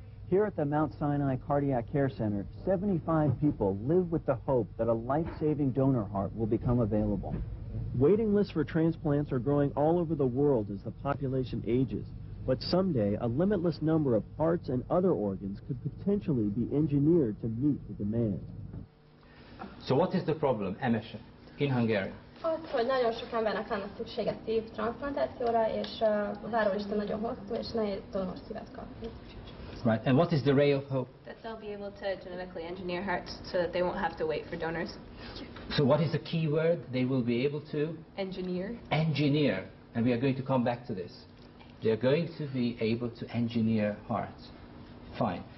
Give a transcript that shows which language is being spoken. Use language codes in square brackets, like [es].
[en] Here at the Mount Sinai Cardiac Care Center, 75 people live with the hope that a life-saving donor heart will become available. Waiting lists for transplants are growing all over the world as the population ages, but someday a limitless number of hearts and other organs could potentially be engineered to meet the demand. So what is the problem, Emesha, in Hungary? [hu] Az, hogy nagyon sok embernek lenne szüksége szív transplantációra, és a várólista nagyon hosszú, és nehéz donor szívet kapni. [en] Right, and what is the ray of hope? That they'll be able to genetically engineer hearts so that they won't have to wait for donors. So what is the key word they will be able to? Engineer. Engineer. And we are going to come back to this. They're going to be able to engineer hearts. Fine.